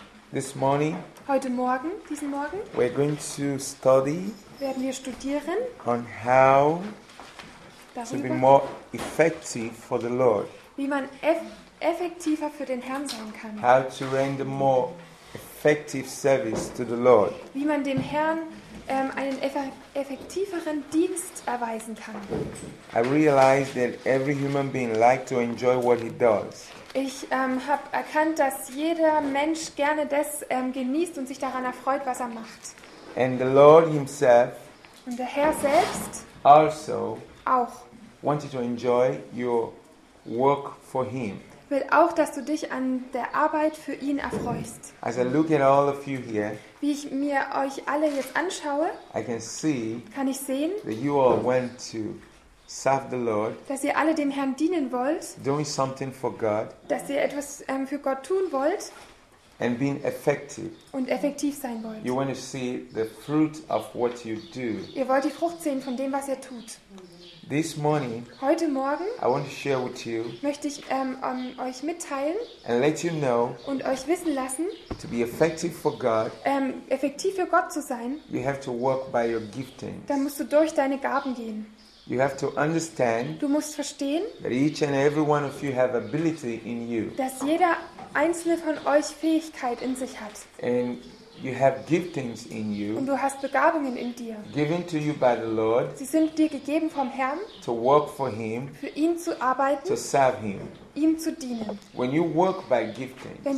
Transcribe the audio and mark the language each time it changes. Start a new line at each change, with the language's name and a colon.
English: This morning.
German: Heute Morgen, diesen Morgen.
English: We're going to study.
German: Werden wir studieren,
English: on how
German: darüber,
English: to be more effective for the Lord.
German: Wie man effektiver für den Herrn sein kann.
English: How to render more effective service to the Lord.
German: Wie man dem Herrn einen effektiveren Dienst erweisen kann.
English: I realize that every human being likes to enjoy what he does.
German: Ich habe erkannt, dass jeder Mensch gerne das genießt und sich daran erfreut, was er macht.
English: And the Lord himself,
German: und der Herr selbst,
English: also
German: auch,
English: wanted to enjoy your work for him.
German: Will auch, dass du dich an der Arbeit für ihn erfreust.
English: As I look at all of you here,
German: wie ich mir euch alle jetzt anschaue,
English: I can see,
German: kann ich sehen,
English: that you all went to serve the Lord,
German: dass ihr alle dem Herrn dienen wollt,
English: doing something for God,
German: dass ihr etwas für Gott tun wollt.
English: And being effective.
German: Und effektiv sein wollt.
English: You want to see the fruit of what you do.
German: Ihr wollt die Frucht sehen von dem, was ihr tut.
English: This morning.
German: Heute Morgen.
English: I want to share with you.
German: Möchte ich euch mitteilen.
English: And let you know.
German: Und euch wissen lassen.
English: To be effective for God.
German: Effektiv für Gott zu sein.
English: You have to work by your giftings.
German: Dann musst du durch deine Gaben gehen.
English: You have to understand.
German: Du musst verstehen.
English: That each and every one of you have ability in you.
German: Dass jeder einzelne von euch Fähigkeit in sich hat.
English: And you have giftings in you.
German: Und du hast Begabungen in dir.
English: Given to you by the Lord.
German: Sie sind dir gegeben vom Herrn.
English: To work for him.
German: Für ihn zu arbeiten.
English: To serve him.
German: Ihm zu dienen.
English: When you work by giftings.